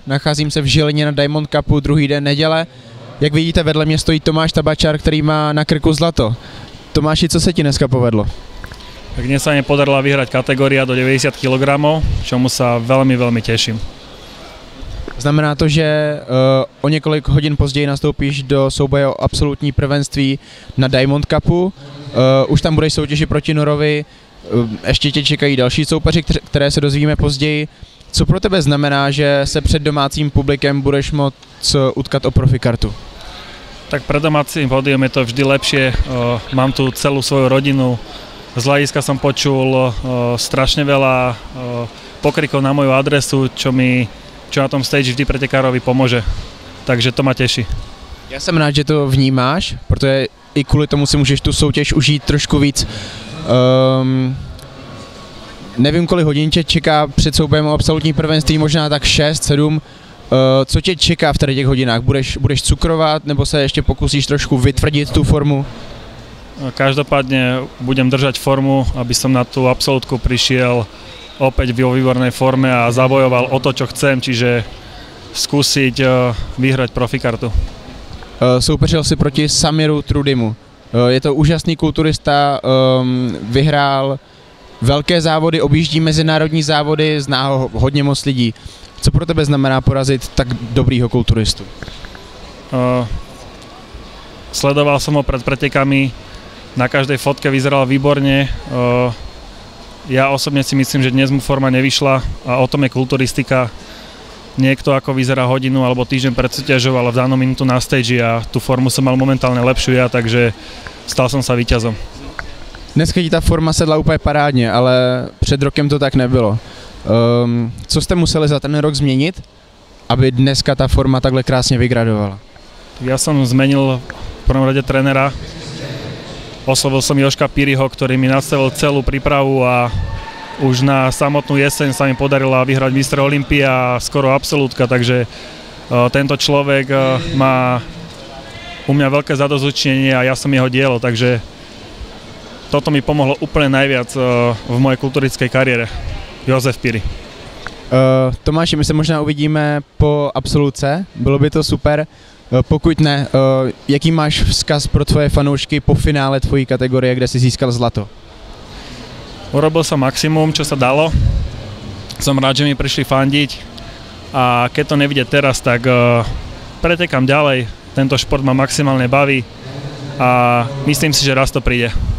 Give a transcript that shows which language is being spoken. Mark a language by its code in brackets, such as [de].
[cs] Nacházím se v Žilině na Diamond Cupu, druhý den neděle. Jak vidíte, vedle mě stojí Tomáš Tabačar, který má na krku zlato. Tomáši, co se ti dneska povedlo? [sk] Tak dnes sa mi podarilo vyhrať kategória do 90 kg, čomu sa veľmi, veľmi teším. [cs] Znamená to, že o niekoľko hodín později nastoupíš do souboje o absolútní prvenství na Diamond Cupu. Už tam budeš soutěžit proti Norovi, ešte ťa čekají další soupeři, ktoré sa dozvíme později. Co pro tebe znamená, že sa pred domácím publikem budeš môcť utkať o profikartu? [sk] Tak pred domácím pódium je to vždy lepšie. Mám tu celú svoju rodinu. Z hľadiska som počul strašne veľa pokrikov na moju adresu, čo na tom stage vždy pretekárovi pomôže. Takže to ma teší. Ja som rád, že to vnímáš, pretože i kvôli tomu si môžeš tú soutěž užiť trošku víc. [cs] Nevím, kolik hodin ťa čeká pred soubojem o absolútní prvenství, možná tak 6-7. [sk] Co ťa čeká v tých hodinách? Budeš cukrovať, nebo sa ešte pokusíš trošku vytvrdiť tú formu? Každopádne budem držať formu, aby som na tú absolútku prišiel opäť vo výbornej forme a zabojoval o to, čo chcem, čiže skúsiť vyhrať profikartu. [cs] Soupeřil si proti Samiru Trudimu. Je to úžasný kulturista, vyhrál velké závody, objíždí mezinárodní závody, zná ho hodně moc lidí. Co pro tebe znamená porazit tak dobrýho kulturistu? Sledoval jsem ho před pretekami. Na každej fotke vyzeral výborně. Já osobně si myslím, že dnes mu forma nevyšla a o tom je kulturistika. [sk] Niekto ako vyzerá hodinu alebo týždeň pred súťažou, ale v danom minútu na stage a tú formu som mal momentálne lepšiu ja, takže stal som sa víťazom. Dneska ti tá forma sedla úplne parádne, ale pred rokem to tak nebylo. Co ste museli za ten rok zmeniť, aby dneska tá forma takhle krásne vygradovala? Ja som zmenil v prvom rade trenera. Oslovil som Jožka Píriho, ktorý mi nastavil celú prípravu a už na samotnú jeseň sa mi podarila vyhrať mistra Olympia a skoro absolútka, takže tento človek má u mňa veľké zadozučenie a ja som jeho dielo, takže toto mi pomohlo úplne najviac v mojej kulturistickej kariére. Jozef Píri. [cs] Tomáši, my sa možná uvidíme po absolútce, bylo by to super. Pokud ne, jaký máš vzkaz pro tvoje fanoušky po finále tvojí kategórie, kde si získal zlato? [sk] Urobil som maximum, čo sa dalo. Som rád, že mi prišli fandiť. A keď to nevidie teraz, tak pretekám ďalej. Tento šport ma maximálne baví. A myslím si, že raz to príde.